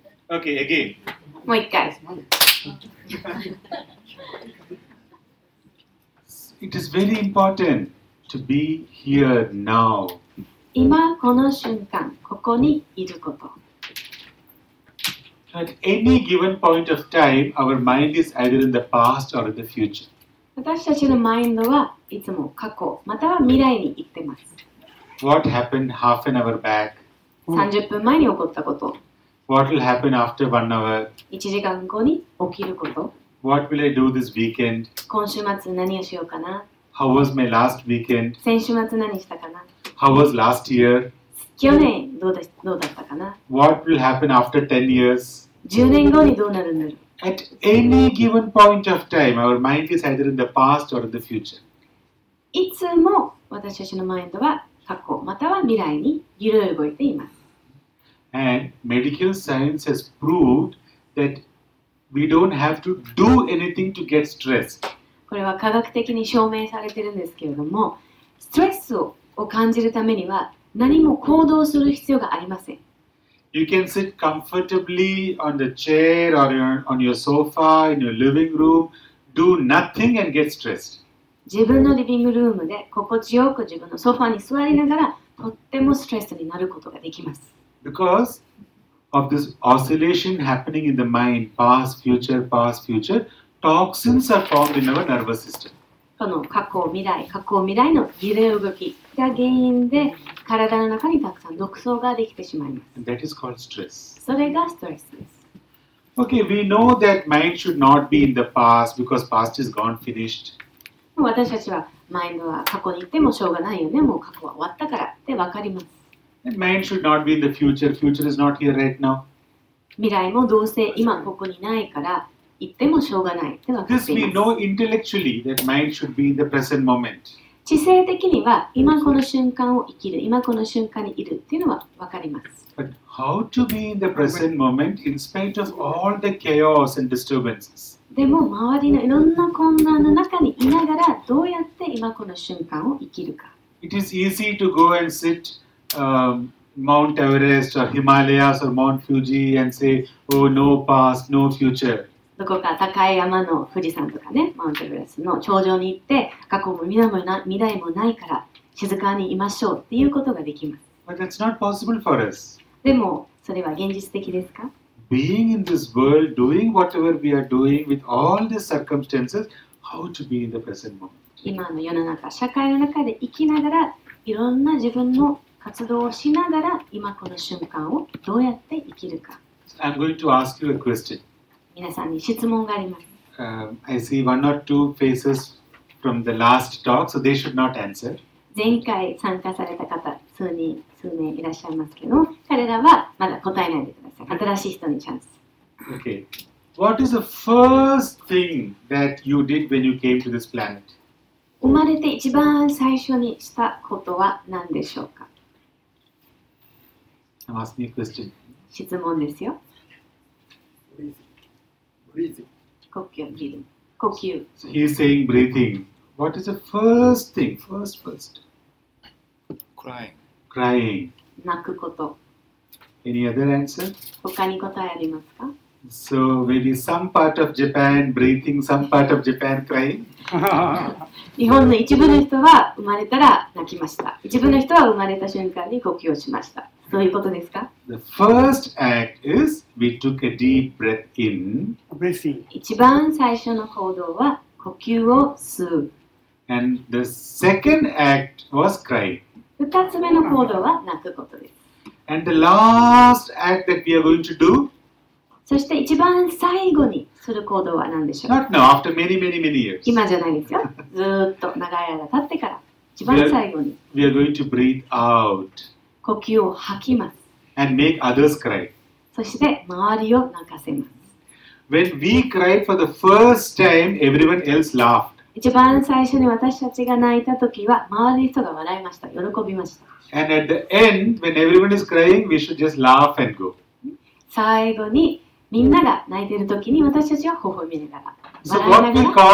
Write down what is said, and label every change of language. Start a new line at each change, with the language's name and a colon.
English: Okay, again.
Japanese: もう一回。
English: It is very important to be here now.
Japanese: 今この瞬間、ここにいること。
English: At any given point of time, our mind is either in the past or in the future.
Japanese: 私たちのマインドはいつも過去または未来に行ってます。
English: What happened half an hour back?
Japanese: 30分前に起こったこと。
English: What will happen after 1 hour?
Japanese: 1時間後に起きること。
English: What will I do this weekend?
Japanese: 今週末何をしようかな
English: ?How was my last weekend?
Japanese: 先週末何したかな
English: ?How was last year?
Japanese: 去年どうだったかな
English: ?What will happen after 10 years?
Japanese: 10年後にどうなるんだろう
English: ?At any given point of time, our mind is either in the past or in the future.
Japanese: いつも私たちのマインドは過去または未来にいろいろ動いています。
English: And medical science has proved that we don't have to do anything to get stressed.
Japanese: これは科学的に証明されているんですけれども、ストレスを感じるためには何も行動する必要がありません。
English: You can sit comfortably on the chair or on your sofa in your living room, do nothing and get stressed.
Japanese: 自分のリビングルームで心地よく自分のソファに座りながらとってもストレスになることができます。
English: Because of this oscillation happening in the mind, past, future, toxins are formed in our nervous system.
Japanese: この過去未来の揺れ動きが原因で体の中にたくさん毒素ができてしまいます。
English: And that is called stress.
Japanese: それがストレスです。
English: Okay, we know that mind should not be in the past because past is gone, finished.
Japanese: 私たちはマインドは過去に行ってもしょうがないよね。もう過去は終わったからってわかります。
English: And mind should not be in the future. Future is not here right now.
Japanese: 未来もどうせ今ここにないから行ってもしょうがないってわかっています。
English: This we know intellectually that mind should be in the present moment.
Japanese: 知性的には今この瞬間を生きる、今この瞬間にいるっていうのはわかります。
English: But how to be in the present moment in spite of all the chaos and disturbances?
Japanese: でも周りのいろんな困難の中にいながらどうやって今この瞬間を生きるか。
English: It is easy to go and sit. Mount Everest or Himalayas or Mount Fuji and say, oh, no past, no future.
Japanese: どこか高い山の富士山とかね、マウントエベレストの頂上に行って、過去も未来もないから静かにいましょうっていうことができます。
English: But that's not possible for us.
Japanese: でもそれは現実的ですか
English: ?Being in this world, doing whatever we are doing with all the circumstances, how to be in the present moment?
Japanese: 今の世の中、社会の中で生きながら、いろんな自分の活動をしながら今この瞬間をどうやって生きるか。
English: I'm going to ask you a question.
Japanese: 皆さんに質問があります。
English: I see one or two faces from the last talk, so they should not answer.
Japanese: 前回参加された方、数名いらっしゃいますけど、彼らはまだ答えないでください。新しい人にチャンス。
English: Okay. What is the first thing that you did when you came to this planet?
Japanese: 生まれて一番最初にしたことは何でしょうか?
English: I'm asking a question.
Japanese: 質問ですよ。
English: 呼吸。So he's saying breathing. What is the first thing? First. Crying.
Japanese: 泣くこと。
English: Any other answer?
Japanese: 他に答えありますか?
English: So maybe some part of Japan breathing, some part of Japan crying.
Japanese: 日本の一部の人は生まれたら泣きました。一部の人は生まれた瞬間に呼吸をしました。どういうことですか?
English: The first act is we took a deep breath in. Breathing.
Japanese: 一番最初の行動は呼吸を吸う。
English: And the second act was crying.
Japanese: 二つ目の行動は泣くことです。
English: And the last act that we are going to do?
Japanese: そして一番最後にする行動は何でしょう?
English: Not now, after many, many, many years.
Japanese: 今じゃないですよ。ずっと長い間経ってから、一番最後に。
English: We are going to breathe out.
Japanese: 呼吸を吐きます。
English: And make others cry.
Japanese: そして周りを泣かせます。
English: When we cried for the first time, everyone else laughed.
Japanese: 一番最初に私たちが泣いた時は、周りの人が笑いました。喜びました。
English: And at the end, when everyone is crying, we should just laugh and go.
Japanese: 最後にみんなが泣いている時に私たちは微笑みながら、笑いながら。